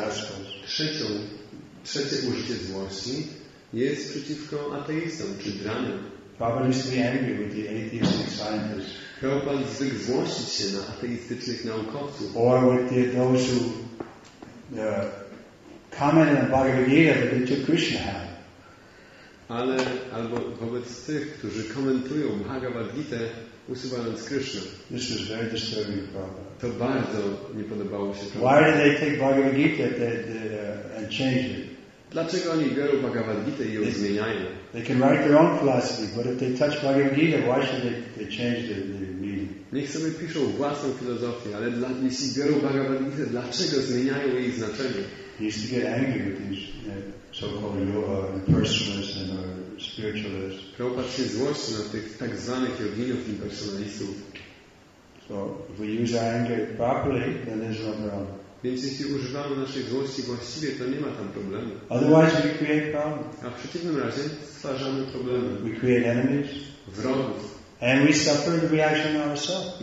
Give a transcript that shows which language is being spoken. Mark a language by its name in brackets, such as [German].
[English] rascals. [Polish] Trzecie użycie złości jest przeciwko ateistom czy dramom. [English] Prabhupada used to be angry with the atheistic scientists. [Polish] Prabhupada zwykł złościć się na ateistycznych naukowców. [English] Or with those who commented on Bhagavad Gita that they took Krishna out. [Polish] Ale albo wobec tych, którzy komentują Bhagavad Gita, usuwając Krishna. [English] This was very disturbing to Prabhupada. [Polish] To bardzo nie podobało się Prabhupada. [English] Why did they take Bhagavad Gita and change it? [Polish] Dlaczego oni biorą Bhagavad Gita i ją zmieniają? [English] They can write their own philosophy, but if they touch Bhagavad Gita, why should they change the meaning? [Polish] Niech sobie piszą własną filozofię, ale jeśli biorą Bhagavad Gita, dlaczego zmieniają jej znaczenie? [English] He used to get angry with these so-called impersonalists and spiritualists. [Polish] Prabhupada się złościł na tych tak zwanych joginów impersonalistów. [English] So if we use our anger properly, then there's no problem. [Polish] Więc jeśli używamy naszej złości właściwie, to nie ma tam problemu. [English] Otherwise we create problems. [Polish] A w przeciwnym razie stwarzamy problemy. [English] We create enemies. [Polish] Wrogów. [English] And we suffer the reaction of ourselves.